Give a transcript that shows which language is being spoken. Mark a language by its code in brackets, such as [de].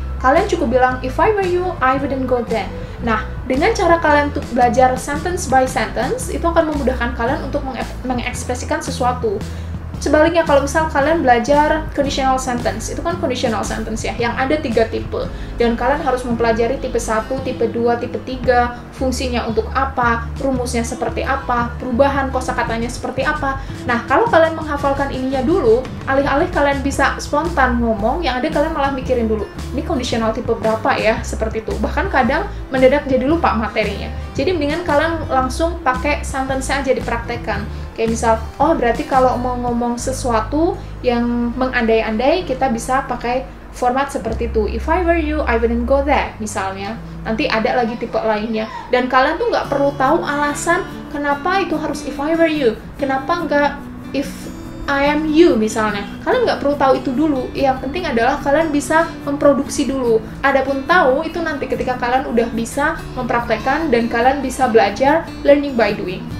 [id] Kalian cukup bilang, [en] if I were you, I wouldn't go there. [id] Nah, dengan cara kalian untuk belajar [en] sentence by sentence, [id] itu akan memudahkan kalian untuk mengekspresikan sesuatu. Sebaliknya, kalau misal kalian belajar conditional sentence, itu kan conditional sentence ya, yang ada 3 tipe. Dan kalian harus mempelajari tipe 1, tipe 2, tipe 3, fungsinya untuk apa, rumusnya seperti apa, perubahan kosakatanya seperti apa. Nah, kalau kalian menghafalkan ininya dulu, alih-alih kalian bisa spontan ngomong, yang ada kalian malah mikirin dulu, ini conditional tipe berapa ya, seperti itu. Bahkan kadang mendadak jadi lupa materinya. Jadi mendingan kalian langsung pakai sentence-nya aja dipraktekkan. Kayak misal, oh berarti kalau mau ngomong sesuatu yang mengandai-andai, kita bisa pakai format seperti itu. [en] If I were you, I wouldn't go there, [id] misalnya. Nanti ada lagi tipe lainnya. Dan kalian tuh nggak perlu tahu alasan kenapa itu harus [en] if I were you. [id] Kenapa nggak [en] if I am you, [id] misalnya. Kalian nggak perlu tahu itu dulu. Yang penting adalah kalian bisa memproduksi dulu. Adapun tahu, itu nanti ketika kalian udah bisa mempraktekkan dan kalian bisa belajar [en] learning by doing.